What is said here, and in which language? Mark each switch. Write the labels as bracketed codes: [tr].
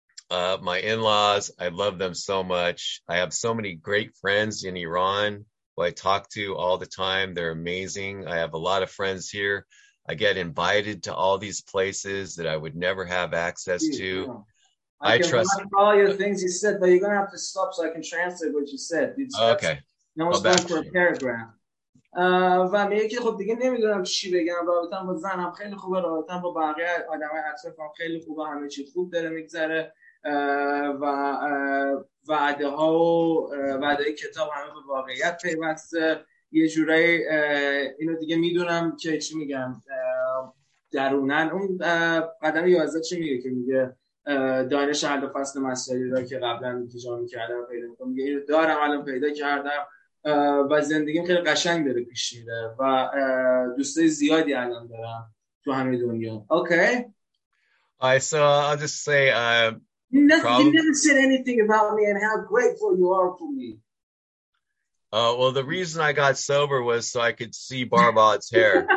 [en] My in-laws, I love them so much. I have so many great friends in Iran who I talk to all the time. They're amazing. I have a lot of friends here. I get invited to all these places that I would never have access to. Yeah. I trust all your things you said, but you're going to have to stop so I can translate what you said. Okay. No one's going for a paragraph. [fa] و میگه که خب دیگه نمیدونم چی بگم، رابطم با زنم خیلی خوبه، رابطم با بقیه آدمای اطرافم خیلی خوبه، همه چی خوب داره میگذره و وعده ها و وعده کتاب همه به واقعیت پیوسته. یه جوری اینو دیگه میدونم که چی میگم درونن. اون قدم 11 چی میگه که میگه دانش حل و فصل مسائلی را که قبلا انتظار میکردم پیدا میکنم، میگه اینو دارم الان پیدا کردم و زندگیم خیلی قشنگ داره پیش میره و دوستای زیادی الان دارم تو همه دنیا. اوکی [en] okay. So I'll just say You never said anything about me and how grateful you are for me. Oh, well, the reason I got sober was so I could see Barbot's hair.